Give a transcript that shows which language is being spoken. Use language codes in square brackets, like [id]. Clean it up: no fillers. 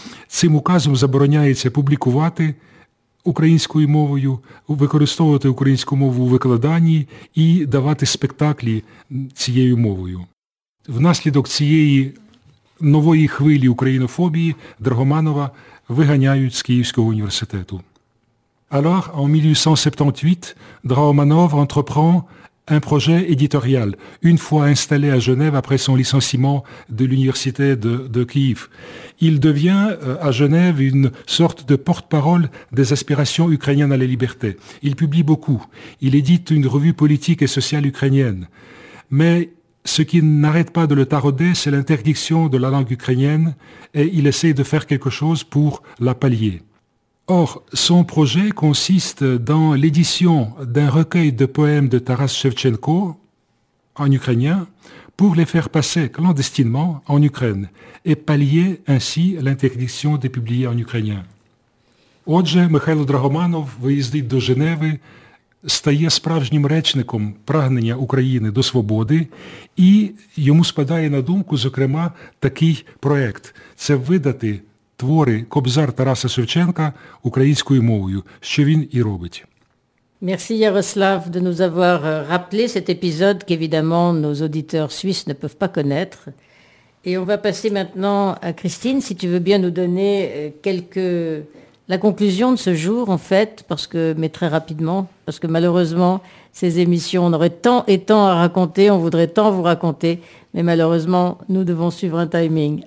[uk] Цим указом забороняється публікувати українською мовою, використовувати українську мову у викладанні і давати спектаклі цією мовою. Внаслідок цієї нової хвилі українофобії Драгоманова виганяють з Київського університету. [fr] Alors, en 1878, Драгоманов entreprend un projet éditorial, une fois installé à Genève après son licenciement de l'université de Kiev. Il devient à Genève une sorte de porte-parole des aspirations ukrainiennes à la liberté. Il publie beaucoup. Il édite une revue politique et sociale ukrainienne. Mais ce qui n'arrête pas de le tarauder, c'est l'interdiction de la langue ukrainienne et il essaie de faire quelque chose pour la pallier. Or, son projet consiste dans l'édition d'un recueil de poèmes de Taras Shevchenko en ukrainien pour les faire passer clandestinement en Ukraine et pallier ainsi l'interdiction de publier en ukrainien. [uk] Отже, Михайло Драгоманов виїздить до Женеви, стає справжнім речником прагнення України до свободи, і йому спадає на думку, зокрема, такий проект – це видати твори Кобзар Тараса Шевченка українською мовою, що він і робить. [fr] Merci Yaroslav de nous avoir rappelé cet épisode qu'évidemment nos auditeurs suisses ne peuvent pas connaître. Et on va passer maintenant à Christine, si tu veux bien nous donner quelques... la conclusion de ce jour, en fait, parce que, mais très rapidement, parce que malheureusement, ces émissions, on aurait tant et tant à raconter, on voudrait tant vous raconter, mais malheureusement, nous devons suivre un timing.